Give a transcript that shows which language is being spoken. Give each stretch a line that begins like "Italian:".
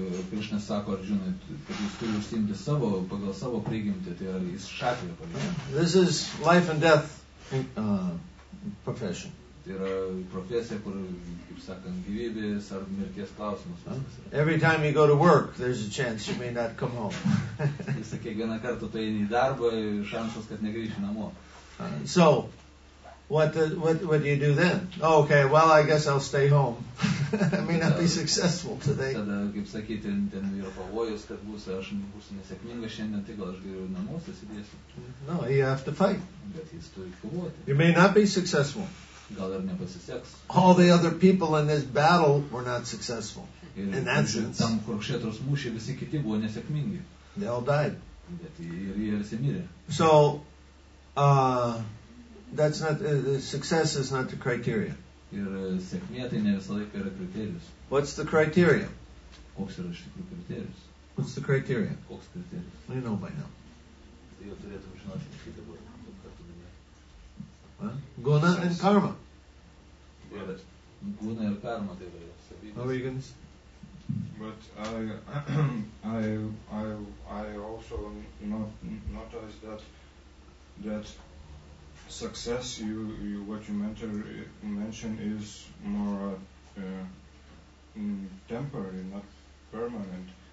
Lithuanian: Krishna sako Arjunai, kad jis turi užsiimti savo pagal savo prigimtį, tai yra jis kshatriya.
English: This is life and death profession.
Lithuanian: Tai yra profesija, kur kaip sakant gyvybės ar mirties klausimas.
English: Every time you go to work, there's a chance you may not come home.
Lithuanian: Jis sakė, vieną kartą tu eini į darbą, šansas, kad negrįši namo.
English: So. What do you do then? Oh, okay, well, I guess I'll stay home. I may not be successful today.
Lithuanian: Tada, kaip sakyti, ten yra pavojus, kad būsiu nesėkmingas šiandien, tai gal aš geriau namus atsidėsiu.
English: No, you have to fight.
Lithuanian: Bet jis turi kovoti.
English: You may not be successful.
Lithuanian: Gal ir nepasiseks.
English: All the other people in this battle were not successful. In that sense.
Lithuanian: Tam Kurukšetros mūšyje visi kiti buvo nesėkmingi.
English: They all died.
Lithuanian: Bet jie visi mirė.
English: So, that's not success is not the criteria.
Lithuanian: Ir sėkmė tai ne visą laiką yra kriterijus.
English: What's the criteria?
Lithuanian: Koks yra iš tikrųjų kriterijus?
English: What's the criteria?
Lithuanian: Koks kriterijus?
English: We know by now.
Lithuanian: Tai jau turėtum žinoti, kaip tai buvo.
English: Guna and karma. Yes.
Lithuanian: Guna ir karma tai yra savybės.
English: How are you going to say? But I also not as that success you what you mention is more temporary, not permanent.